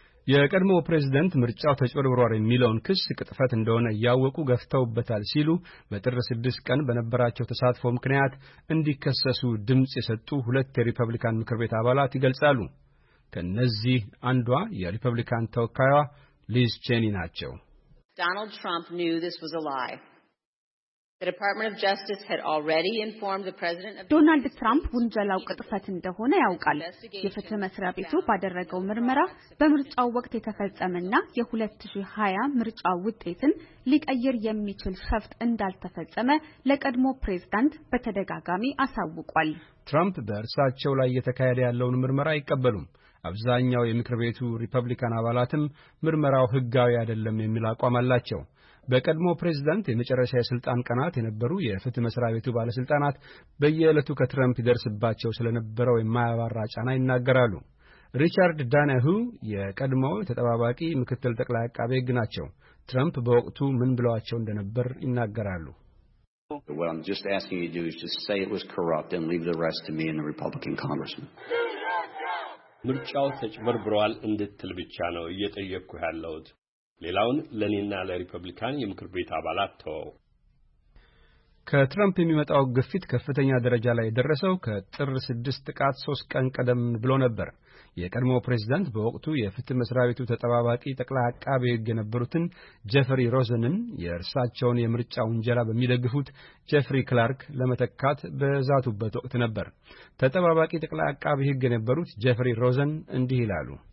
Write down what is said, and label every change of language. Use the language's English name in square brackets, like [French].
[Amharic] የቀድሞ ፕሬዝዳንት ምርጫው ተጭበርብሯል የሚለውን ክስ ቅጥፈት እንደሆነ ያወቁ ገፍተውበታል ሲሉ በጥር 6 ቀን በነበራቸው ተሳትፎ ምክንያት እንዲከሰሱ ድምጽ የሰጡ ሁለት የሪፐብሊካን ምክር ቤት አባላት ይገልጻሉ። ከነዚህ አንዷ የሪፐብሊካን ተወካይዋ ሊዝ ቼኒ ናቸው። [English] ዶናልድ ትራምፕ knew this was a lie. The Department of Justice had already informed the president of [Amharic] Donald Trump ወንጀላው ቅጥፈት እንደሆነ ያውቃል። የፍትህ መስሪያ ቤቱ ባደረገው ምርመራ በምርጫው ወቅት የተፈጸመና የ2020 ምርጫ ውጤትን ሊቀይር የሚችል ሸፍጥ እንዳልተፈጸመ ለቀድሞ ፕሬዝዳንት በተደጋጋሚ አሳውቋል። ትራምፕ በእርሳቸው ላይ የተካሄደ ያለውን ምርመራ አይቀበሉም። አብዛኛው የምክር ቤቱ ሪፐብሊካን አባላትም ምርመራው ህጋዊ አይደለም የሚል አቋም አላቸው። በቀድሞ ፕሬዝዳንት የመጨረሻ የስልጣን ቀናት የነበሩ የፍትህ መስሪያ ቤቱ ባለስልጣናት በየዕለቱ ከትራምፕ ይደርስባቸው ስለነበረው የማያባራ ጫና ይናገራሉ። ሪቻርድ ዳናሁ የቀድሞው ተጠባባቂ ምክትል ጠቅላይ አቃቤ ሕግ ናቸው። ትራምፕ በወቅቱ ምን ብለዋቸው እንደነበር ይናገራሉ። [English] What I'm just asking you to do is just say it was corrupt and leave the rest to me and the Republican congressmen. [Amharic] ምርጫው ተጭበርብሯል እንድትል ብቻ ነው እየጠየቅኩ ያለሁት። ሌላውን ለኔና ለሪፐብሊካን የምክር ቤት አባላት ተወው። ከትራምፕ የሚመጣው ግፊት ከፍተኛ ደረጃ ላይ ደረሰው ከጥር 6 ጥቃት 3 ቀን ቀደም ብሎ ነበር። የቀድሞው ፕሬዝዳንት በወቅቱ የፍትህ መስሪያ ቤቱ ተጠባባቂ ጠቅላይ አቃቤ ሕግ የነበሩትን ጀፍሪ ሮዘንን የእርሳቸውን የምርጫ ወንጀላ በሚደግፉት ጀፍሪ ክላርክ ለመተካት በዛቱበት ወቅት ነበር። ተጠባባቂ ጠቅላይ አቃቤ ሕግ የነበሩት ጀፍሪ ሮዘን እንዲህ ይላሉ።